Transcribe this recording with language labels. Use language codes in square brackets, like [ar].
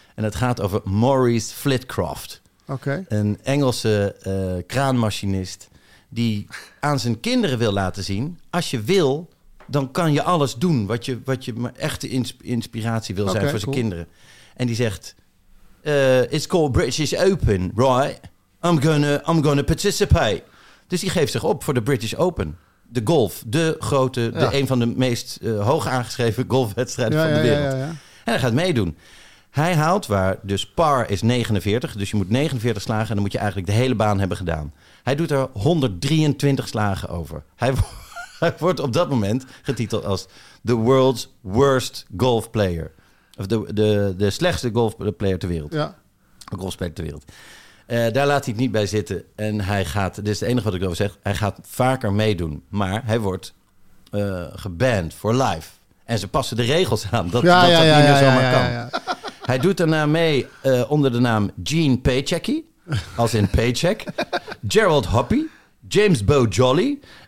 [nl] En het gaat over Maurice Flitcroft. Oké. Een Engelse kraanmachinist die aan zijn kinderen wil laten zien... als je wil, dan kan je alles doen wat je echte inspiratie wil zijn voor zijn kinderen. En die zegt... [en] it's called British Open, right? I'm gonna participate. [nl] Dus die geeft zich op voor de British Open. De golf, de grote, de een van de meest hoog aangeschreven golfwedstrijden van de wereld. Ja. En hij gaat meedoen. Hij haalt waar, dus par is 49, dus je moet 49 slagen... en dan moet je eigenlijk de hele baan hebben gedaan. Hij doet er 123 slagen over. Hij wordt op dat moment getiteld als [en] the world's worst golf player. [nl] Of de slechtste golfplayer ter wereld. Ja. Golfspeler ter wereld. Daar laat hij het niet bij zitten. En hij gaat, dit is het enige wat ik erover zeg, hij gaat vaker meedoen. Maar hij wordt geband [en] for life. [nl] En ze passen de regels aan dat niet meer zomaar kan. Ja. Hij doet daarna mee onder de naam Gene Paycheck, als in paycheck. Gerald Hoppy, James Bo Jolly.